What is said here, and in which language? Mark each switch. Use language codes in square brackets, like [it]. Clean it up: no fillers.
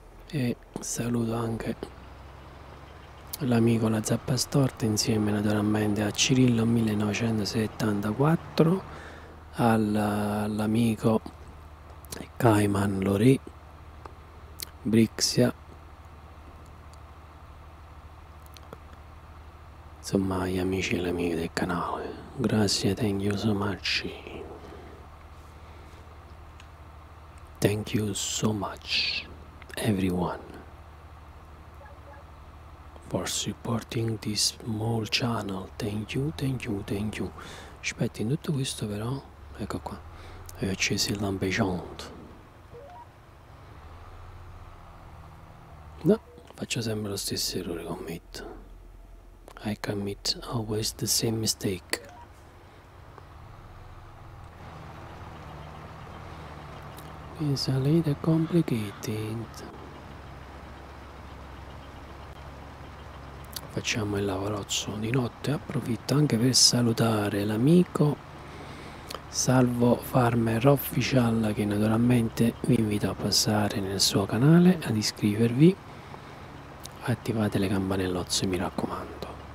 [it] E saluto anche l'amico La Zappa Storta, insieme naturalmente a Cirillo 1974, all'amico Cayman Lori, Brixia, insomma gli amici e le amiche del canale. Grazie, [en] thank you so much. Thank you so much everyone for supporting this small channel. Thank you. [it] Aspetta, in tutto questo però, ecco qua, ho acceso il lampeggiante. No, faccio sempre lo stesso errore, commit. [en] I commit always the same mistake. It's a little complicated. [it] Facciamo il lavorozzo di notte. Approfitto anche per salutare l'amico Salvo Farmer Official, che naturalmente vi invito a passare nel suo canale, ad iscrivervi, attivate le campanellozze, mi raccomando.